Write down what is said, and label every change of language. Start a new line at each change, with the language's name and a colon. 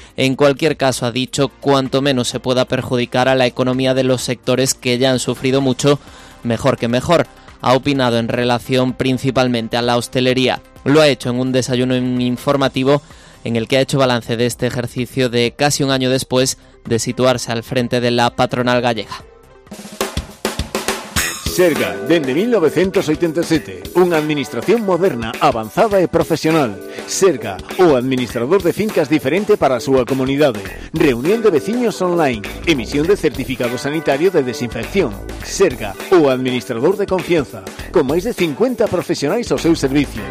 Spanish: En cualquier caso, ha dicho, cuanto menos se pueda perjudicar a la economía de los sectores que ya han sufrido mucho, mejor que mejor. Ha opinado en relación principalmente a la hostelería. Lo ha hecho en un desayuno informativo en el que ha hecho balance de este ejercicio de casi un año después de situarse al frente de la patronal gallega.
Galician: Serga, dende 1987, unha administración moderna, avanzada e profesional. Serga, o administrador de fincas diferente para a súa comunidade. Reunión de veciños online, emisión de certificado sanitario de desinfección. Serga, o administrador de confianza, con máis de 50 profesionais ao seu servicio.